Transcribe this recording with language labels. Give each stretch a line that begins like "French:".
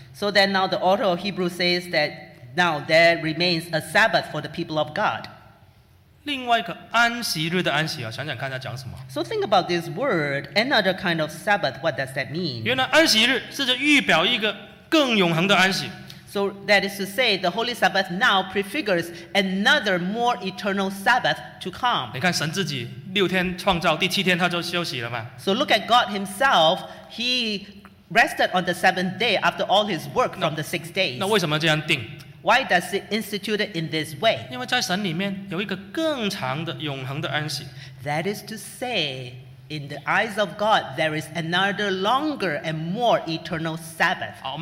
English: So then now the author of Hebrews says that now there remains a Sabbath for the people of God.
Chinese: 另外一个安息日的安息啊，想想看他讲什么。
English: So think about this word, another kind of Sabbath. What does that mean?
Chinese: 原来安息日是在预表一个更永恒的安息。
English: So that is to say, the Holy Sabbath now prefigures another more eternal Sabbath to come.
Chinese: 你看神自己六天创造，第七天他就休息了嘛。
English: So look at God Himself. He rested on the seventh day after all His work from the 6 days.
Chinese: 那为什么这样定？
English: Why does it institute it in this way?
Chinese: 因为在神里面有一个更长的永恒的安息。
English: That is to say, in the eyes of God, there is another longer and more eternal Sabbath.